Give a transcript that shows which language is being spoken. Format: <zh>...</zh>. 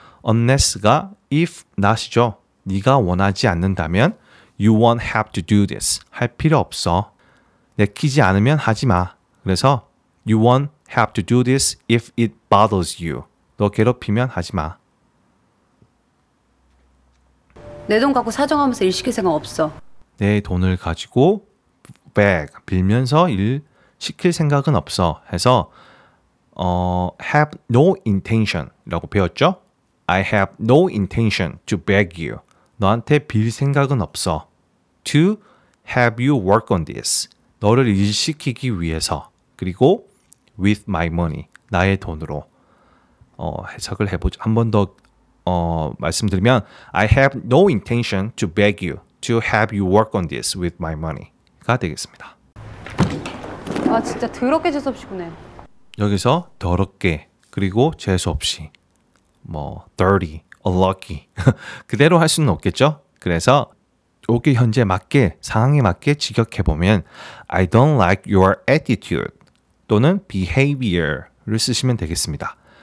<en>unless가 if not이죠.</en> <ko>네가 원하지 않는다면</ko> <en>you won't have to do this.</en> <ko>할 필요 없어. 내키지 않으면 하지 마.</ko> <en>그래서 you won't have to do this if it bothers you.</en> <ko>너 괴롭히면 하지 마. 내 돈 갖고 사정하면서 일 시킬 생각 없어. 내 돈을 가지고 beg, 빌면서 일 시킬 생각은 없어. 해서 have no intention이라고 배웠죠?</ko> <en>I have no intention to beg you.</en> <ko>너한테 빌 생각은 없어.</ko> <en>To have you work on this.</en> <ko>너를 일시키기 위해서.</ko> <en>그리고 with my money.</en> <ko>나의 돈으로. 해석을 해보죠. 한 번 더 말씀드리면</ko> <en>I have no intention to beg you to have you work on this with my money가 되겠습니다.</en> <ko>아 진짜 더럽게 재수 없이 구네. 여기서 더럽게 그리고 재수 없이 뭐 dirty, unlucky 그대로 할 수는 없겠죠. 그래서 여기 현재 맞게 상황에 맞게 직역해 보면</ko> <en>I don't like your attitude</en> <ko>또는 behavior를 쓰시면 되겠습니다.</ko>